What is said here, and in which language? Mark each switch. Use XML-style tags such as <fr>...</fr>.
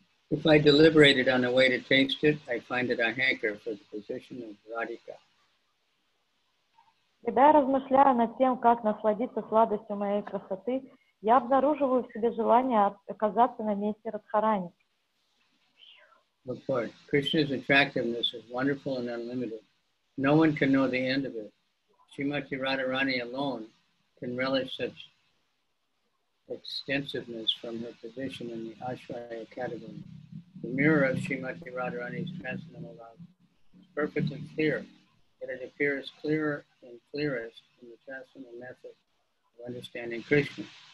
<en>If I deliberated on a way to taste it, I find that I hanker for the position of Radhika.</en> <ru>Когда я размышляю над тем, как насладиться сладостью моей красоты, я обнаруживаю в себе желание оказаться на месте Радхарани.</ru> <en>Look for it. Krishna's attractiveness is wonderful and unlimited. No one can know the end of it. Srimati Radharani alone can relish such extensiveness from her position in the Ashraya category. the mirror of Srimati Radharani's transcendental love is perfect and clear, yet it appears clearer and clearest in the transcendental method of understanding Krishna.</en>